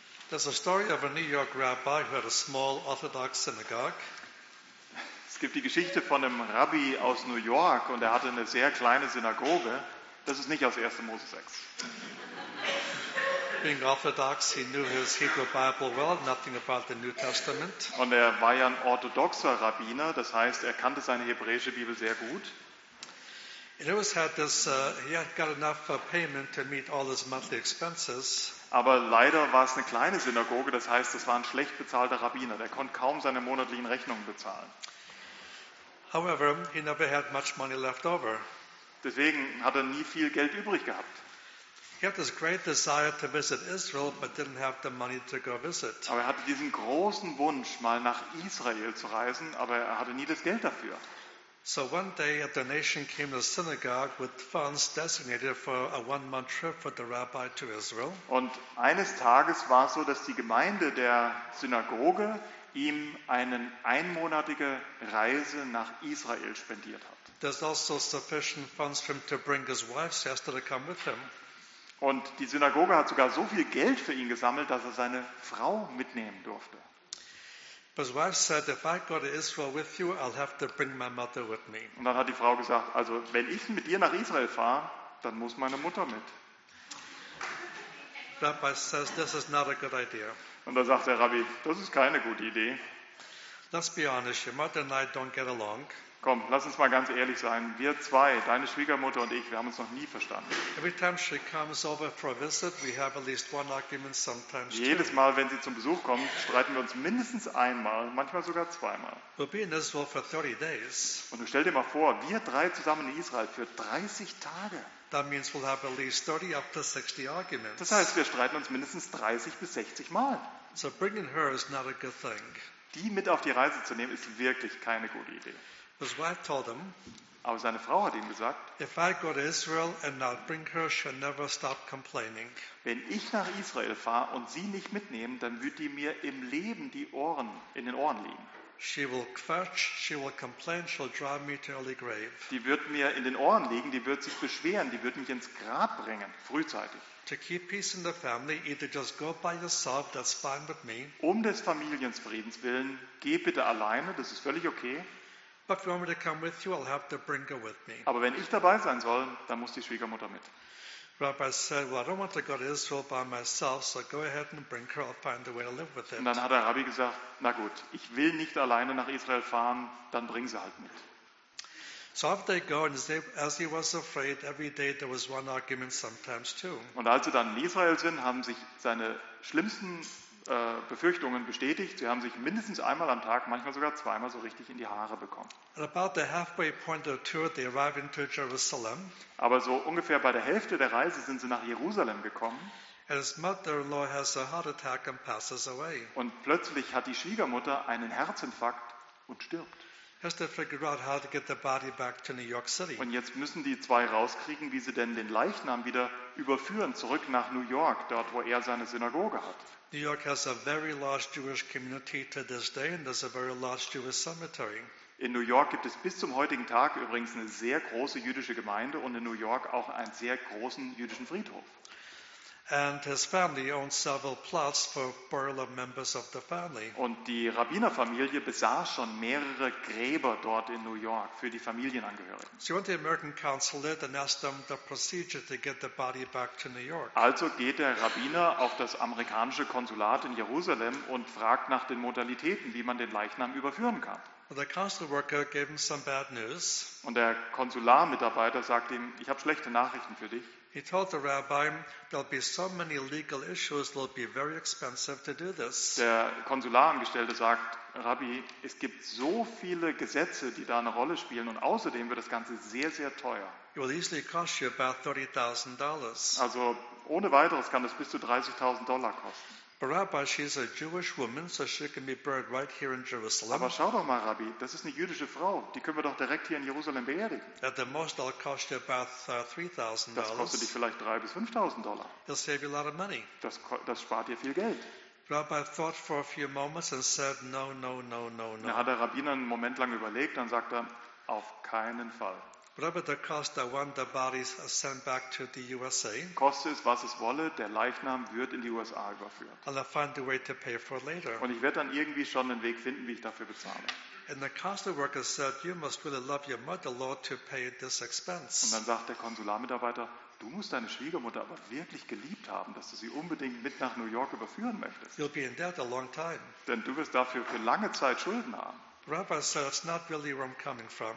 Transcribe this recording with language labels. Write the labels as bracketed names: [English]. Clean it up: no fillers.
[English] There's a story of a New York rabbi who had a small Orthodox synagogue. [German] Es gibt die Geschichte von einem Rabbi aus New York, und er hatte eine sehr kleine Synagoge. Das ist nicht aus 1. Mose 6. [English] Being Orthodox, he knew his Hebrew Bible well, nothing about the New Testament. [German] Und er war ja ein orthodoxer Rabbiner, das heißt, er kannte seine hebräische Bibel sehr gut. [English] And always had this, he had got enough payment to meet all his monthly expenses. [German] Aber leider war es eine kleine Synagoge, das heißt, es war ein schlecht bezahlter Rabbiner. Der konnte kaum seine monatlichen Rechnungen bezahlen. [English] However, he never had much money left over. [German] Deswegen hat er nie viel Geld übrig gehabt. [English] He had this great desire to visit Israel, but didn't have the money to go visit. [German] Aber er hatte diesen großen Wunsch, mal nach Israel zu reisen, aber er hatte nie das Geld dafür. [English] So one day a donation came to the synagogue with funds designated for a one-month trip for the rabbi to Israel. [German] Und eines Tages war es so, dass die Gemeinde der Synagoge ihm eine einmonatige Reise nach Israel spendiert hat. [English] There's also sufficient funds for him to bring his wife Esther to come with him. [German] Und die Synagoge hat sogar so viel Geld für ihn gesammelt, dass er seine Frau mitnehmen durfte. [English] His wife said, if I go to Israel with you, I'll have to bring my mother with me. [German] Und dann hat die Frau gesagt, also wenn ich mit dir nach Israel fahre, dann muss meine Mutter mit. [English] Rabbi says, this is not a good idea. [German] Und dann sagt der Rabbi, das ist keine gute Idee. [English] Let's be honest, your mother and I don't get along. [German] Komm, lass uns mal ganz ehrlich sein. Wir zwei, deine Schwiegermutter und ich, wir haben uns noch nie verstanden. [English] Every time she comes over for a visit, we have at least one argument, sometimes two. [German] Jedes Mal, wenn sie zum Besuch kommt, streiten wir uns mindestens einmal, manchmal sogar zweimal. [English] We'll be in Israel for 30 days. [German] Und stell dir mal vor, wir drei zusammen in Israel für 30 Tage. [English] That means we'll have at least 30 up to 60 arguments. [German] Das heißt, wir streiten uns mindestens 30 bis 60 Mal. [English] So bringing her is not a good thing. [German] Die mit auf die Reise zu nehmen, ist wirklich keine gute Idee. [English] His wife told him, [German] aber seine Frau hat ihm gesagt, [English] if I go to Israel and not bring her, she'll never stop complaining. [German] Wenn ich nach Israel fahre und sie nicht mitnehme, dann wird die mir im Leben die Ohren in den Ohren liegen. [English] She will quatsch, she will complain, she'll drive me to early grave. [German] Die wird mir in den Ohren liegen, die wird sich beschweren, die wird mich ins Grab bringen, frühzeitig. [English] To keep peace in the family, either just go by yourself, that's fine with me. [German] Um des Familienfriedens willen, geh bitte alleine, das ist völlig okay. [English] But if you want me to come with you, I'll have to bring her with me. [German] Aber wenn ich dabei sein soll, dann muss die Schwiegermutter mit. [English] Rabbi said, well, I don't want to go to Israel by myself, so go ahead and bring her. I'll find a way to live with it. [German] Und dann hat der Rabbi gesagt, na gut, ich will nicht alleine nach Israel fahren, dann bring sie halt mit. [English] So off they go, and as he was afraid, every day there was one argument, sometimes two. [German] Und als sie dann in Israel sind, haben sich seine schlimmsten Befürchtungen bestätigt. Sie haben sich mindestens einmal am Tag, manchmal sogar zweimal, so richtig in die Haare bekommen. [English] At about the halfway point of the tour, they arrive into Jerusalem. [German] Aber so ungefähr bei der Hälfte der Reise sind sie nach Jerusalem gekommen. [English] And his mother-in-law has a heart attack and passes away. [German] Und plötzlich hat die Schwiegermutter einen Herzinfarkt und stirbt. [English] Has to figure out how to get the body back to New York City. [German] Und jetzt müssen die zwei rauskriegen, wie sie denn den Leichnam wieder überführen, zurück nach New York, dort wo er seine Synagoge hat. [English] New York has a very large Jewish community to this day, and there's a very large Jewish cemetery. [German] In New York gibt es bis zum heutigen Tag übrigens eine sehr große jüdische Gemeinde und in New York auch einen sehr großen jüdischen Friedhof. [English] And his family owns several plots for burial of members of the family. [German] Und die Rabbinerfamilie besaß schon mehrere Gräber dort in New York für die Familienangehörigen. [English] So he went to the American consulate and asked them the procedure to get the body back to New York. [German] Also geht der Rabbiner auf das amerikanische Konsulat in Jerusalem und fragt nach den Modalitäten, wie man den Leichnam überführen kann. [English] Well, the consular worker gave him some bad news. [German] Und der Konsularmitarbeiter sagt ihm, ich habe schlechte Nachrichten für dich. [English] He told the rabbi, there'll be so many legal issues, it'll be very expensive to do this. [German] Der Konsularangestellte sagt, Rabbi, es gibt so viele Gesetze, die da eine Rolle spielen, und außerdem wird das Ganze sehr, sehr teuer. [English] It will easily cost you about $30,000. [German] Also ohne weiteres kann es bis zu $30,000 kosten. [English] But Rabbi, she's a Jewish woman, so she can be buried right here in Jerusalem. [German] Aber schau doch mal, Rabbi, das ist eine jüdische Frau. Die können wir doch direkt hier in Jerusalem beerdigen. [English] At the most, that'll cost you about $3,000. [German] Das kostet dich vielleicht $3,000 bis $5,000. [English] It'll save you a lot of money. [German] Das spart dir viel Geld. [English] Rabbi thought for a few moments and said, "No, no, no, no, no." [German] Dann hat der Rabbiner einen Moment lang überlegt, dann sagt er, auf keinen Fall. [English] Whatever the cost, I want the bodies sent back to the USA. [German] Koste es, was es wolle, der Leichnam wird in die USA überführt. [English] And I'll find a way to pay for it later. [German] Und ich werde dann irgendwie schon einen Weg finden, wie ich dafür bezahle. [English] And the consular worker said, "You must really love your mother-in-law to pay this expense." [German] Und dann sagt der Konsularmitarbeiter, du musst deine Schwiegermutter aber wirklich geliebt haben, dass du sie unbedingt mit nach New York überführen möchtest. [English] You'll be in debt a long time. [German] Denn du wirst dafür für lange Zeit Schulden haben. [English] Rabbi said, "That's not really where I'm coming from."